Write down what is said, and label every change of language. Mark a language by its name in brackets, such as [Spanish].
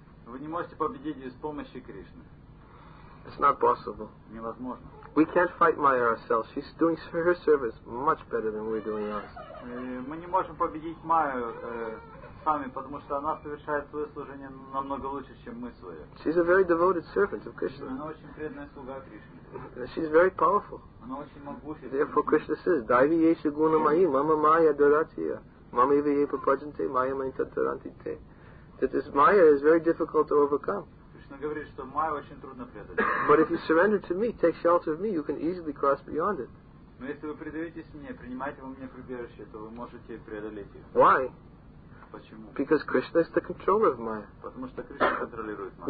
[Russian] Вы не можете победить без помощи Кришны. [English] It's not possible. [Russian] Невозможно. [English] We can't fight Maya ourselves. She's doing her service much better than we're doing ours. [Russian] Мы не можем победить Майю сами, потому что она совершает свое служение намного лучше, чем мы свое. [English] She's a very devoted servant of Krishna. [Russian] Она очень преданная слуга Кришны. [English] She's very powerful. [Russian] Она очень могущественна. [English] Therefore, Krishna says, [Sanskrit] "Дайви ейши гуна майи, мама майя дуратия, мама иви ей пападжанте, майя майнта дурантите." [English] That this Maya is very difficult to overcome. [Russian] Говорит, что Майя очень трудно преодолеть. [English] But if you surrender to me, take shelter of me, you can easily cross beyond it. [Russian] Но если вы предаетесь мне, принимаете во мне прибежище, то вы можете преодолеть ее. [English] Why? [Russian] Почему? [English] Because Krishna is the controller of Maya. [Russian] Потому что Кришна контролирует Майю.